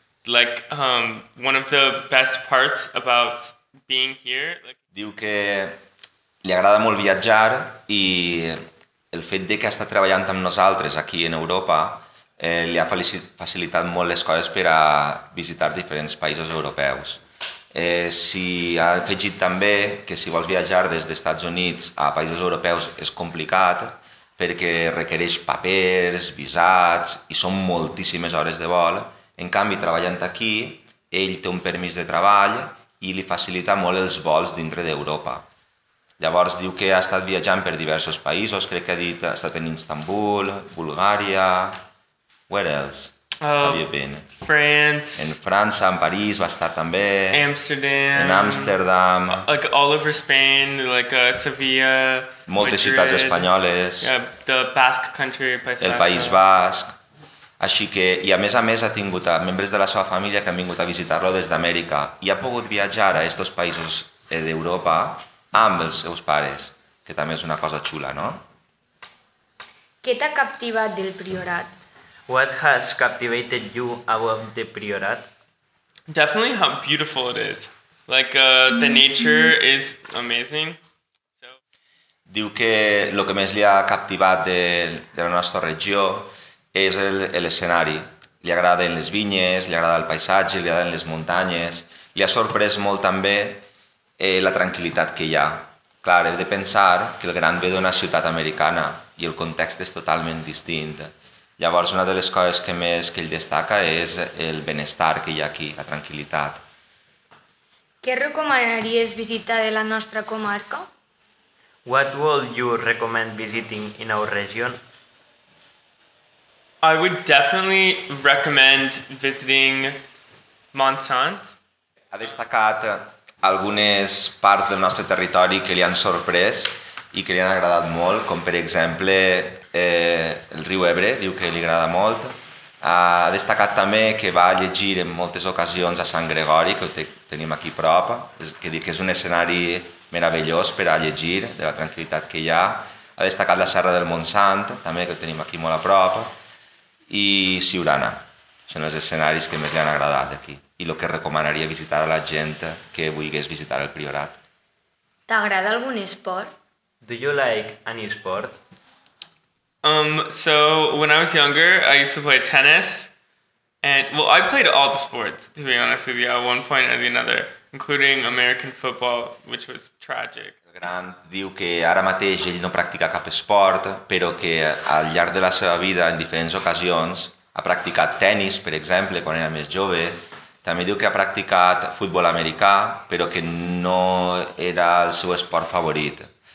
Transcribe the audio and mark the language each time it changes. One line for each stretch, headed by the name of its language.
English: Like, one of the best parts about being here... Like...
Catalan: Diu que li agrada molt viatjar i el fet de que està treballant amb nosaltres aquí en Europa li ha facilitat molt les coses per a visitar diferents països europeus. Si ha afegit també que si vols viatjar des dels Estats Units a països europeus és complicat perquè requereix papers, visats i són moltíssimes hores de vol. En canvi, treballant aquí, ell té un permís de treball i li facilita molt els vols dintre d'Europa. Llavors diu que ha estat viatjant per diversos països, crec que ha dit, ha estat en Istanbul, Bulgària...
English: Where else have you been? France.
Catalan: En França, en París va estar també.
English: Amsterdam.
Catalan: En Amsterdam.
English: Like all over Spain, like Sevilla,
Catalan: moltes
English: Madrid,
Catalan: ciutats espanyoles.
English: Yeah, the Basque Country, País
Catalan: El País Basc. Així que, i a més ha tingut membres de la seva família que han vingut a visitar-lo des d'Amèrica i ha pogut viatjar a estos països d'Europa amb els seus pares, que també és una cosa xula, no? Què t'ha captivat del priorat?
English: What has captivated you about the priorat? Definitely how beautiful it is. Like, the nature is amazing. So...
Catalan: Diu que el que més li ha captivat de la nostra regió és l'escenari. Li agraden les vinyes, li agrada el paisatge, li agraden les muntanyes. Li ha sorprès molt també la tranquil·litat que hi ha. Clar, heu de pensar que el gran ve d'una ciutat americana i el context és totalment distint. Llavors, una de les coses que més que ell destaca és el benestar que hi ha aquí, la tranquil·litat. Què recomanaries visitar de la nostra comarca?
English: What would you recommend visiting in our region? I would definitely recommend visiting Montsant.
Catalan: Ha destacat algunes parts del nostre territori que li han sorprès i que li han agradat molt, com per exemple el riu Ebre, diu que li agrada molt. Ha destacat també que va llegir en moltes ocasions a Sant Gregori, que ho tenim aquí a prop, que diu que és un escenari meravellós per a llegir, de la tranquil·litat que hi ha. Ha destacat la Serra del Montsant, també, que ho tenim aquí molt a prop, i Siurana. Són els escenaris que més li han agradat aquí i el que recomanaria visitar a la gent que vulgués visitar el priorat. T'agrada algun esport?
English: Do you like any sport? So when I was younger, I used to play tennis. And well, I played all the sports, to be honest with you, at one point or the another, including American football, which was tragic.
Catalan: Gran diu que ara mateix ell no practica cap esport, però que al llarg de la seva vida, en diferents ocasions, ha practicat tennis, per exemple, quan era més jove. També diu que ha practicat futbol americà, però que no era el seu esport favorit.